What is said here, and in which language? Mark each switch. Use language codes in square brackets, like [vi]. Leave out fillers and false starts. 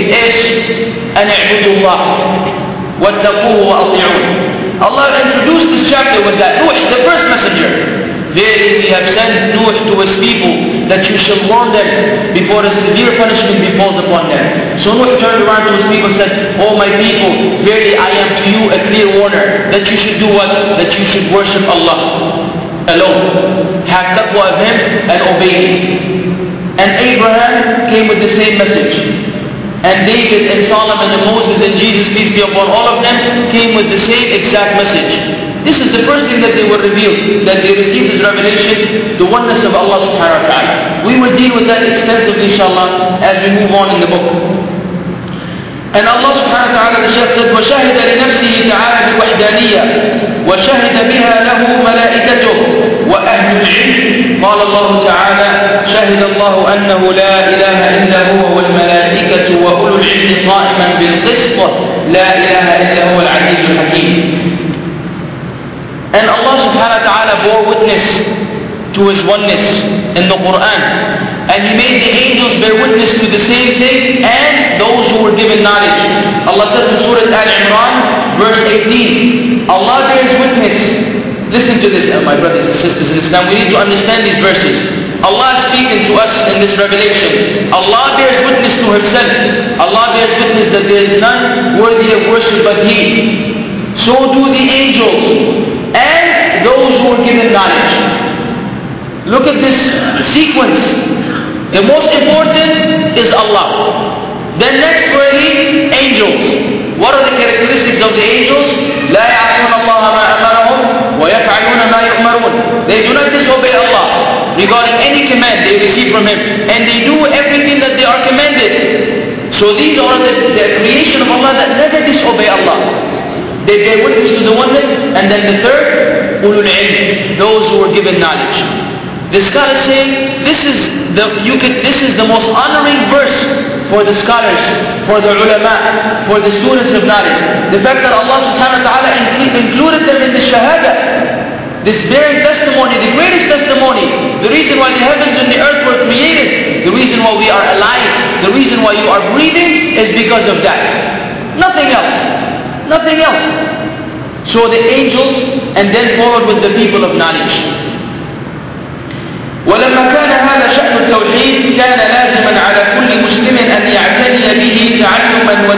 [ar] إيش؟ أن اعبدوا الله واتقوه وأطيعون. [en] Allah introduced this chapter with that. Nuh, the first messenger. Verily we have sent Nuh to his people that you shall warn them before a severe punishment befalls upon them. So Nuh turned around to his people and said, oh my people, verily I am to you a clear warner that you should do what? That you should worship Allah alone. Have taqwa of him and obey him. And Abraham came with the same message. And David and Solomon and Moses and Jesus, peace be upon all of them, came with the same exact message. This is the first thing that they were revealed, that they received this revelation, the oneness of Allah subhanahu wa ta'ala. We will deal with that extensively, inshallah, as we move on in the book. And Allah subhanahu wa ta'ala, the Shaykh said, [ar] وَشَهِدَ لِنَفْسِهِ تَعَالَى بِوَحْدَانِيَّةِ وَشَهِدَ بِهَا لَهُ مَلَائِكَتُهُ وَأَهْلُ الْعِلْمِ. قال الله تعالى شهد الله أنه لا إله إلا هو والملائكة وأولو العلم قائما بالقسط لا إله إلا هو العزيز الحكيم. [en] And Allah subhanahu wa ta'ala bore witness to His oneness in the Quran, and He made the angels bear witness to the same thing and those who were given knowledge. Allah says in Surah Al-Imran, verse 18, Allah bears witness. Listen to this, my brothers and sisters in Islam. We need to understand these verses. Allah is speaking to us in this revelation. Allah bears witness to Himself. Allah bears witness that there is none worthy of worship but He. So do the angels and those who are given knowledge. Look at this sequence. The most important is Allah. Then next worthy, angels. What are the characteristics of the angels? [ar] لا يعصون الله ما أمرهم ويفعلون ما يؤمرون. [en] They do not disobey Allah regarding any command they receive from Him, and they do everything that they are commanded. So these are the creation of Allah that never disobey Allah. They bear witness to the oneness. And then the third, [ar] أولو العلم, [en] those who were given knowledge. The scholars say this is the most honoring verse for the scholars, for the ulama, for the students of knowledge. The fact that Allah subhanahu wa ta'ala included them in the shahada, this bearing testimony, the greatest testimony, the reason why the heavens and the earth were created, the reason why we are alive, the reason why you are breathing is because of that. Nothing else. Nothing else. So the angels, and then followed with the people of knowledge. [ar] ولما كان هذا شأن التوحيد كان لازما على كل مسلم أن يعتني به تعلما